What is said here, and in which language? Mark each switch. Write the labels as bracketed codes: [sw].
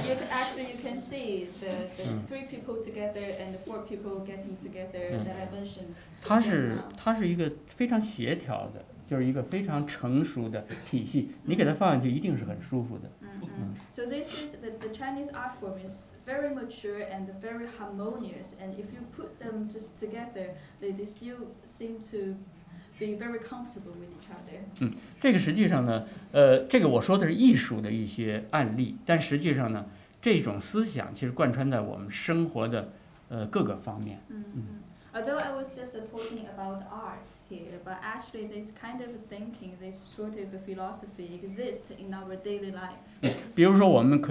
[en] Actually, you can see the three people together and the four people getting together that I mentioned. [zh] 它是一个非常协调的。就是一个非常成熟的体系，你给它放进去一定是很舒服的。 [en] So this is the Chinese art form is very mature and very harmonious, and if you put them just together, they still seem to be very comfortable with each other. [zh] 这个实际上呢，这个我说的是艺术的一些案例，但实际上呢，这种思想其实贯穿在我们生活的各个方面。 [en] Although I was just talking about art here, but actually this kind of thinking, this sort of philosophy exists in our daily life.